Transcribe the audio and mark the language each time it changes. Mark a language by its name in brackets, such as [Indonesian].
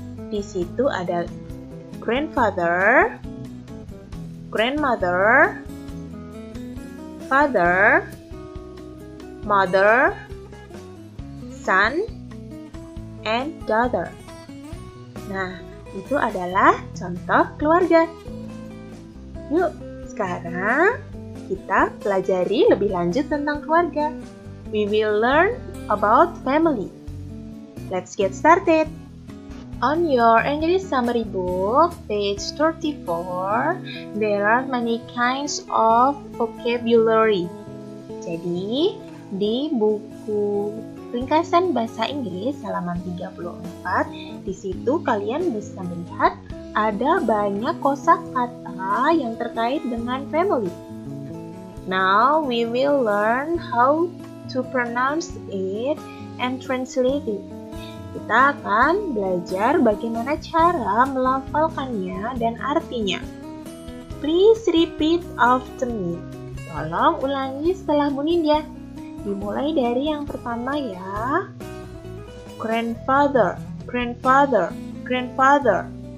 [Indonesian] Di situ ada [English] grandfather, grandmother, father, mother, son, and daughter. [Indonesian] Nah, itu adalah contoh keluarga. Yuk, sekarang kita pelajari lebih lanjut tentang keluarga. [English] We will learn about family. Let's get started. On your English summary book, page 34, there are many kinds of vocabulary. [Indonesian] Jadi, di buku ringkasan bahasa Inggris halaman 34, di situ kalian bisa melihat ada banyak kosakata yang terkait dengan family. [English] Now we will learn how to pronounce it and translate it. [Indonesian] Kita akan belajar bagaimana cara melafalkannya dan artinya. [English] Please repeat after me. [Indonesian] Tolong ulangi setelah Munin ya. Dimulai dari yang pertama ya. [English] Grandfather, grandfather, grandfather.